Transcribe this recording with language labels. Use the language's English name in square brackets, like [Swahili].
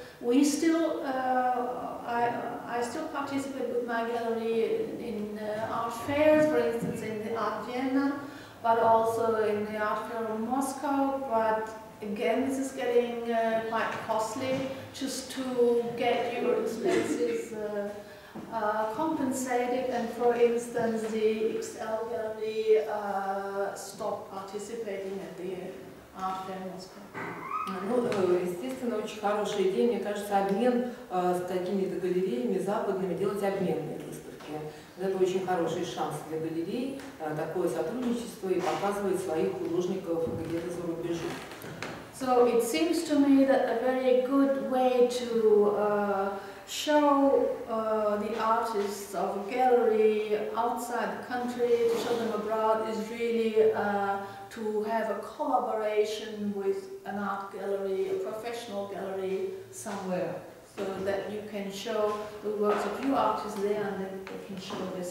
[English] We still, I still participate with my gallery in art fairs, for instance in the Art Vienna, but also in the Art Fair of Moscow, but again, this is getting quite costly just to get your expenses compensated. And for instance, the XL Gallery stopped participating at the Art Fair in Moscow. [Russian] Ну, естественно, очень хорошая идея, мне кажется, обмен с какими-то галереями западными, делать обменные выставки. Это очень хороший шанс для галерей, такое сотрудничество и показывать своих художников где-то за рубежом. [English] So it seems to me that a very good way to show the artists of a gallery outside the country, to show them abroad, is really to have a collaboration with an art gallery, a professional gallery somewhere, so that you can show the works of your artists there and then they can show this.